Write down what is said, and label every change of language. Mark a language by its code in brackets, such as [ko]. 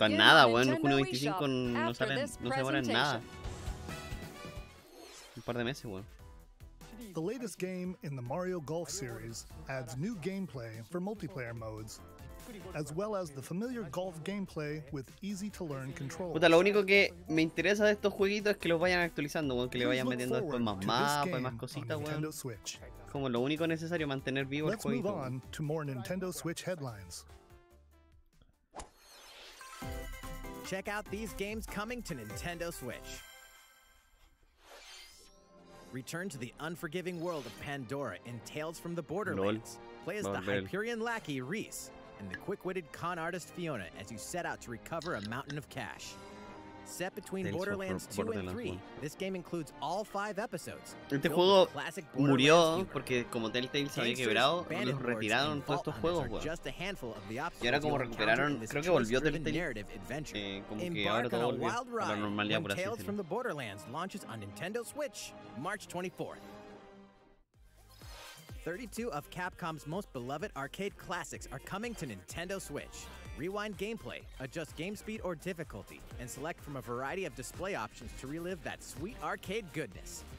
[es] Para nada, bueno, junio 25 no sale, no se demora en nada. Un par de meses, bueno. [en] The latest game in the Mario Golf series adds new gameplay for multiplayer modes, as well as the familiar golf gameplay with easy to learn controls. [es] Puta, lo único que me interesa de estos jueguitos es que los vayan actualizando, weón, que le vayan metiendo después más mapas y más cositas, weón. Como lo único necesario mantener vivo el jueguito. [en] Let's move on to more Nintendo Switch headlines. Check out these games coming to Nintendo Switch. Return to the unforgiving world of Pandora in Tales from the Borderlands. Play as the Hyperion lackey Reese and the quick-witted con artist Fiona as you set out to recover a mountain of cash. Set between Borderlands 2 and 3, this game includes all 5 episodes. [es] Este juego murió porque como Telltale se había quebrado, los retiraron todos estos juegos, y ahora como recuperaron, creo que volvió Telltale, como que ahora todo volvió a la normalidad, por así decirlo. [en] Tales from the Borderlands launches on Nintendo Switch March 24th. 32 of Capcom's most beloved arcade classics are coming to Nintendo Switch. Rewind gameplay, adjust game speed or difficulty, and select from a variety of display options to relive that sweet arcade goodness.